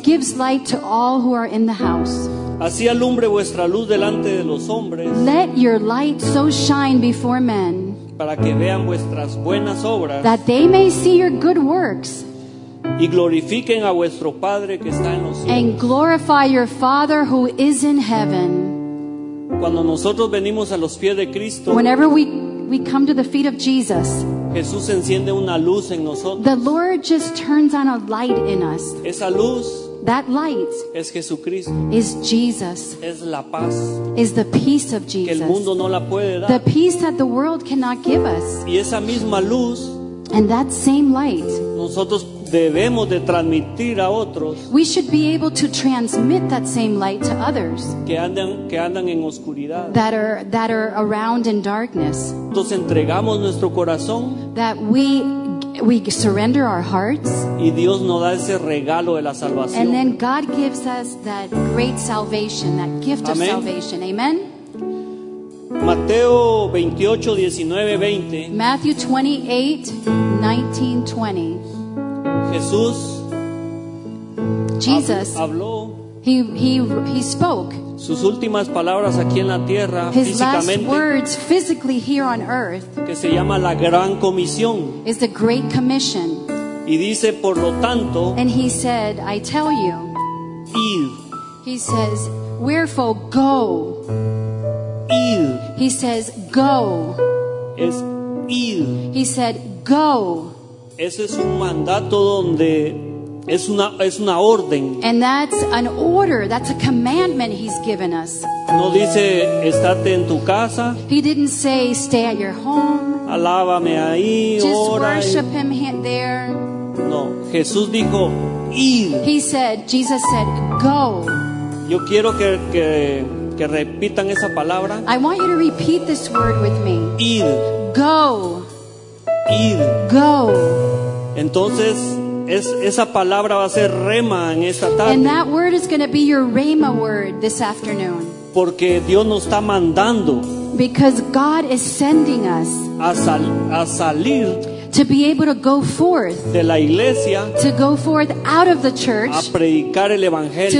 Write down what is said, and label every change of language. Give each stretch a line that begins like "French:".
English: It gives light to all who are in the house.
Spanish: Así alumbre vuestra luz delante de los hombres.
English: Let your light so shine before men.
Spanish: Para que vean vuestras buenas obras.
English: That they may see your good works.
Spanish: Y glorifiquen a vuestro Padre que está en los cielos.
English: And glorify your Father who is in heaven.
Spanish: Cuando nosotros venimos a los pies de Cristo.
English: Whenever we come to the feet of Jesus.
Spanish: Jesús enciende una luz en nosotros.
English: The Lord just turns on a light in us.
Spanish: Esa luz.
English: That light
Spanish: es Jesucristo.
English: Is Jesus.
Spanish: Es la paz.
English: Is the peace of Jesus.
Spanish: Que el mundo no la puede dar.
English: The peace that the world cannot give us.
Spanish: Y esa misma luz.
English: And that same light.
Spanish: Nosotros debemos de transmitir a otros.
English: We should be able to transmit that same light to others.
Spanish: Que andan en oscuridad.
English: That are around in darkness.
Spanish: Entonces entregamos nuestro corazón.
English: That we surrender our hearts.
Spanish: Y Dios nos da ese regalo de la salvación.
English: And then God gives us that great salvation, that gift of salvation.
Spanish: Amen. Mateo 28, 19, 20.
English: Matthew 28, 19, 20.
Spanish: Jesús.
English: Jesus.
Spanish: Habló.
English: He spoke.
Spanish: Sus últimas palabras aquí en la tierra.
English: His
Spanish: físicamente,
English: last words physically here on earth.
Spanish: Que se llama la Gran Comisión.
English: Is the Great Commission.
Spanish: Y dice, por lo tanto.
English: And he said, I tell you.
Spanish: Ir.
English: He says, wherefore go.
Spanish: Ir.
English: He says, go.
Spanish: Es ir.
English: He said, go.
Spanish: Ese es un mandato donde es una orden.
English: And that's an order, that's a commandment he's given us.
Spanish: No dice, estate en tu casa.
English: He didn't say, stay at your home.
Spanish: Alábame ahí, ora.
English: Just worship him there.
Spanish: No, Jesús dijo, ir.
English: He said, Jesus said, go.
Spanish: Yo quiero que repitan esa palabra.
English: I want you to repeat this word with me.
Spanish: Ir.
English: Go.
Spanish: Ir.
English: Go.
Spanish: Entonces, esa palabra va a ser rema en esta tarde.
English: And that word is going to be your rema word this afternoon.
Spanish: Porque Dios nos está mandando.
English: Because God is sending us.
Spanish: A salir.
English: To be able to go forth.
Spanish: De la iglesia.
English: To go forth out of the church.
Spanish: A predicar el evangelio.